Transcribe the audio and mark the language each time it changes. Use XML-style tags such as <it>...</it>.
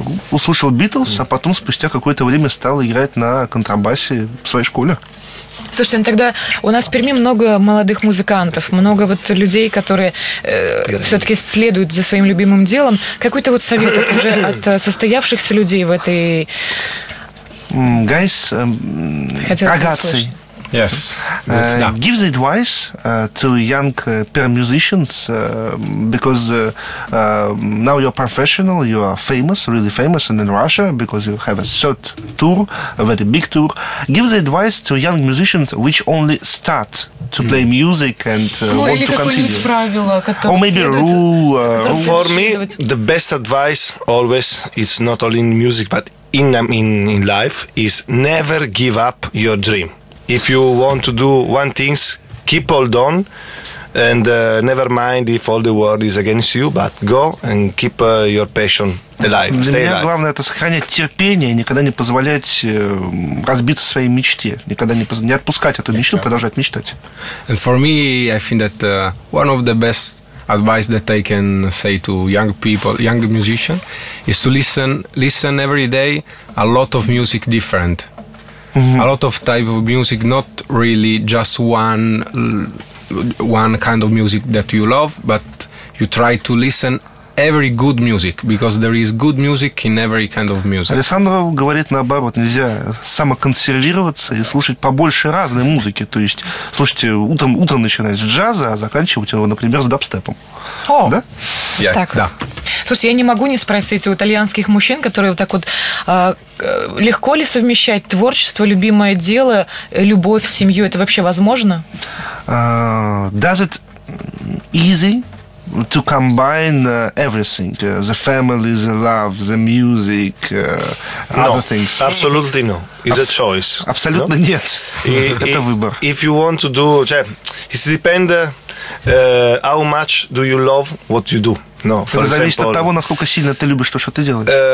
<ru>Услышал Beatles, а потом спустя какое-то время стал играть на контрабасе в своей школе. Слушайте, ну тогда у нас в Перми много молодых музыкантов, много вот людей, которые все-таки следуют за своим любимым делом. Какой-то вот совет уже от состоявшихся людей в этой...</ru> <en>Guys, ragazzi. Yes. Give the advice to young Perm musicians because now you're professional, you are famous, really famous, and in Russia because you have a third tour, a very big tour. Give the advice to young musicians which only start to play music and want to continue.</en> <ru>Правила,</ru> <en>or maybe a rule. For me, the best advice always is not only in music but in life is never give up your dream. If you want to do one thing, keep hold on and never mind if all the world is against you, but go and keep your passion alive.</en> <ru>Для меня</ru> <en>alive.</en> <ru>Главное это сохранять терпение и никогда не позволять разбиться своей мечте, никогда не отпускать эту мечту, продолжать мечтать.</ru> <en>And for me, I think that one of the best advice that I can say to young people, young musician, is to listen every day a lot of music different. Mm-hmm. A lot of type of music, not really just one kind of music that you love, but you try to listen every good music, because there is good music in every kind of music.</en> <ru>Александр говорит наоборот, нельзя самоконсервироваться и слушать побольше разной музыки, то есть слушайте утром начинать с джаза, а заканчивать его, например, с дабстепом. О, да?</ru> <en>Yeah.</en> <ru>Так. Да. Слушай, я не могу не спросить у итальянских мужчин, которые вот так вот, легко ли совмещать творчество, любимое дело, любовь, семью, это вообще возможно?</ru> <en>Does it easy to combine everything, the family, the love, the music, other things? Absolutely no. It's a choice.</en> <ru>Абсолютно нет. Это выбор.</ru> <en>If you want to do, it depends how much do you love what you do. No,</en> <ru>это зависит от того, насколько сильно ты любишь то, что ты делаешь.</ru>